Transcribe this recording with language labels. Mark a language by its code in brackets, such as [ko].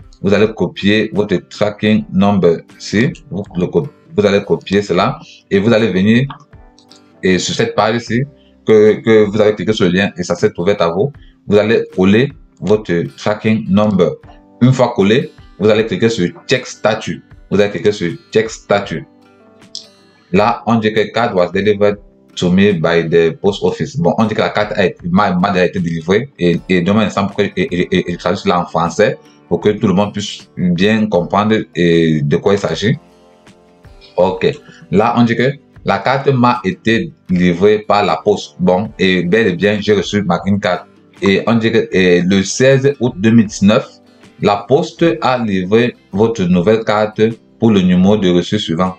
[fr] Vous allez copier votre tracking number ici. Vous allez copier cela et vous allez venir sur cette page ici que vous avez cliqué sur le lien et ça s'est ouvert à vous. Vous allez coller votre tracking number. Une fois collé, vous allez cliquer sur check statut. Vous allez cliquer sur check statut. Là, on dit que [en] card was delivered to me by the post office. [fr] Bon, on dit que la carte a été délivrée et demain, je traduis cela en français pour que tout le monde puisse bien comprendre de quoi il s'agit. Ok, là on dit que la carte m'a été livrée par la poste. Bon, et bel et bien, j'ai reçu ma Green Card. Et on dit que le 16 août 2019, la poste a livré votre nouvelle carte pour le numéro de reçu suivant.